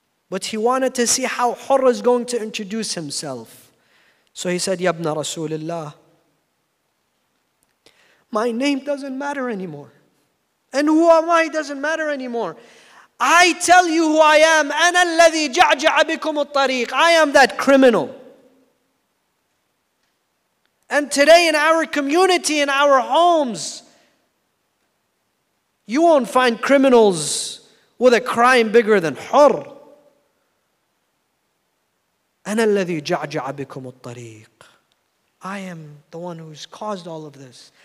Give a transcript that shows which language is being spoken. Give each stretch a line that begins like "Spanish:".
English: But he wanted to see how Hur is going to introduce himself. So he said, Yabna Rasulullah, my name doesn't matter anymore. And who am I doesn't matter anymore. I tell you who I am.
Arabic: أَنَا الَّذِي جَعْجَعَ بِكُمُ الطَّرِيقِ
English: I am that criminal. And today in our community, in our homes, you won't find criminals with a crime bigger than Hur.
Arabic: أَنَا الَّذِي جَعْجَعَ بِكُمُ الطَّرِيقِ
English: I am the one who's caused all of this.